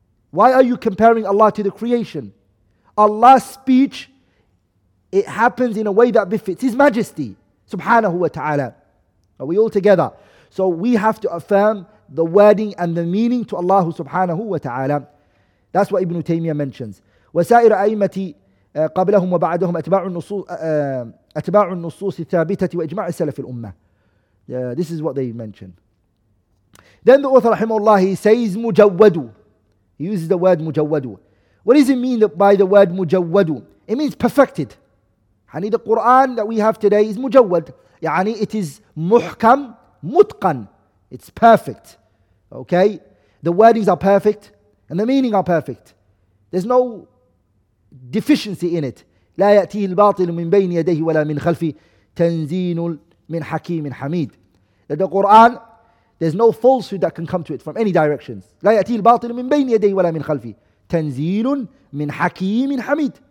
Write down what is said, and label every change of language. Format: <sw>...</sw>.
<en>Why are you comparing Allah to the creation? Allah's speech, it happens in a way that befits His majesty, subhanahu wa ta'ala. Are we all together? So we have to affirm the wording and the meaning to Allah subhanahu wa ta'ala. That's what Ibn Taymiyyah mentions.</en> <ar>وَسَائِرَ أَيْمَةِ قَبْلَهُمْ وَبَعَدَهُمْ أَتْبَاعُ النُّصُوصِ أتباع النصوص الثابتة وإجماع السلف الأمة.</ar> <en>This is what they mention. Then the author رحمه الله, he says مجود. He uses the word مجود. What does it mean by the word mujawwadu? It means perfected. Yani the Quran that we have today is mujawwad. Yani it is muhkam, mutqan. It's perfect. Okay? The wordings are perfect and the meaning are perfect. There's no deficiency in it.</en> <ar>لا يأتيه الباطل من بين يديه ولا من خلفه تنزيل من حكيم حميد.</ar> <en>The Quran, there's no falsehood that can come to it from any directions.</en> <ar>لا يأتيه الباطل من بين يديه ولا من خلفه تنزيل من حكيم حميد.</ar>